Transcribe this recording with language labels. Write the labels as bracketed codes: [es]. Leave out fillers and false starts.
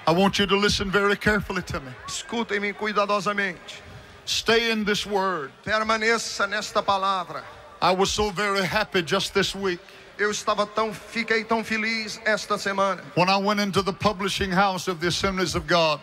[en] I want you to listen very carefully to me. [pt] Escutem-me cuidadosamente. [en] Stay in this word. [pt] Permaneça nesta palavra. [en] I was so very happy just this week. [pt] Eu estava tão, fiquei tão feliz esta semana. [en] When I went into the publishing house of the Assemblies of God.